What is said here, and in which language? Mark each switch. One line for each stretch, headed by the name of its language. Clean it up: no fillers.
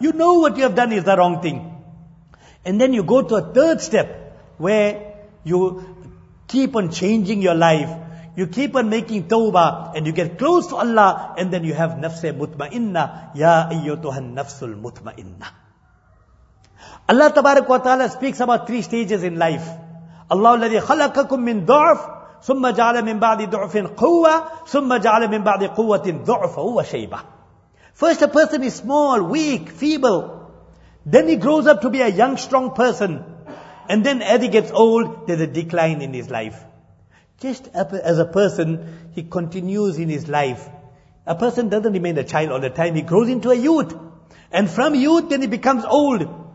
English: You know what you have done is the wrong thing. And then you go to a third step where you keep on changing your life. You keep on making tawbah and you get close to Allah and then you have nafsi mutmainna.
Arabic: Ya ayyotuhan nafsul mutmainna.
English: Allah Tabarak wa ta'ala speaks about three stages in life.
Arabic: Allah الذي خلقكم من ضعف ثم جعل من بعد ضعف قوة ثم جعل من بعد قوة ضعف وشيبة.
English: First a person is small, weak, feeble. Then he grows up to be a young, strong person. And then as he gets old, there's a decline in his life. Just as a person, he continues in his life. A person doesn't remain a child all the time. He grows into a youth. And from youth, then he becomes old.